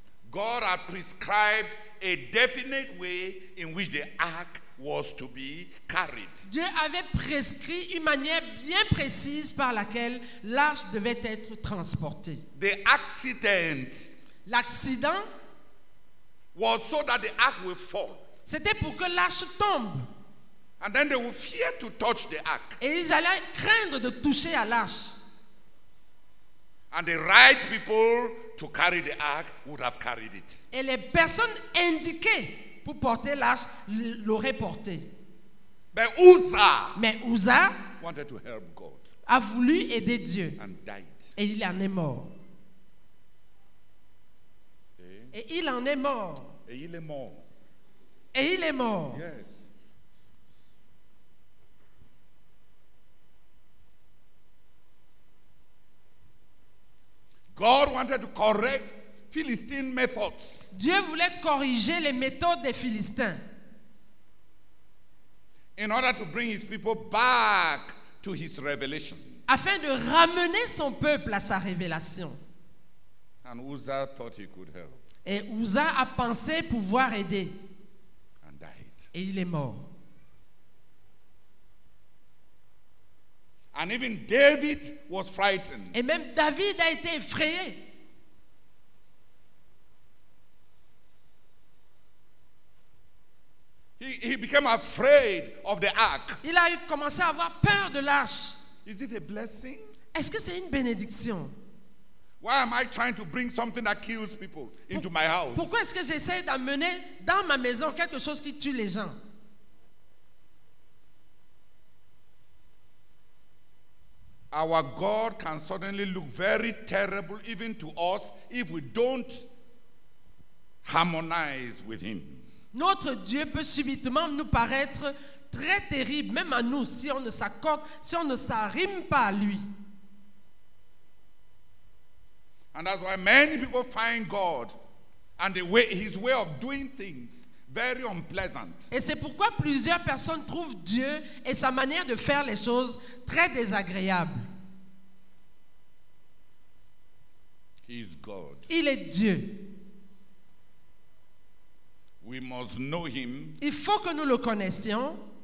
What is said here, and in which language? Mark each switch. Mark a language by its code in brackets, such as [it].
[en] God had prescribed a definite way in which the ark was to be carried. [fr] Dieu avait prescrit une manière bien précise par laquelle l'arche devait être transportée. [en] The accident. [fr] L'accident [en] was so that the ark will fall. [fr] C'était pour que l'arche tombe. [en] And then they will fear to touch the ark. [fr] Et ils allaient craindre de toucher à l'arche. [en] And the right people to carry the ark would have carried it. [fr] Et les personnes indiquées pour porter l'arche l'auraient porté. [en] But Uzza, [fr] mais Uzza [en] wanted to help God. [fr] A voulu aider Dieu. [en] And died. [fr] Et il en est mort. Et il en est mort. Et il est mort. Et il est mort. [en] Yes. God wanted to correct Philistine methods. [fr] Dieu voulait corriger les méthodes des Philistins. [en] In order to bring his people back to his revelation. [fr] Afin de ramener son peuple à sa révélation. [en] And Uzza thought he could help. [fr] Et Uzza a pensé pouvoir aider. [en] And died. [fr] Et il est mort. [en] And even David was frightened. [fr] Et même David a été effrayé. [en] He became afraid of the ark. [fr] Il a commencé à avoir peur de l'arche. [en] Is it a blessing? [fr] Est-ce que c'est une bénédiction? [en] Why am I trying to bring something that kills people into my house? [fr] Pourquoi est-ce que j'essaie d'amener dans ma maison quelque chose qui tue les gens? [en] Our God can suddenly look very terrible even to us if we don't harmonize with him. [fr] Notre Dieu peut subitement nous paraître très terrible même à nous si on ne s'accorde, si on ne s'arrime pas à lui. [en] And that's why many people find God and the way, his way of doing things very unpleasant. [fr] Et c'est pourquoi plusieurs personnes trouvent Dieu et sa manière de faire les choses très désagréable. [en] He is God. [fr] Il est Dieu. [en] We must know him. [fr] Il faut que nous le connaissions.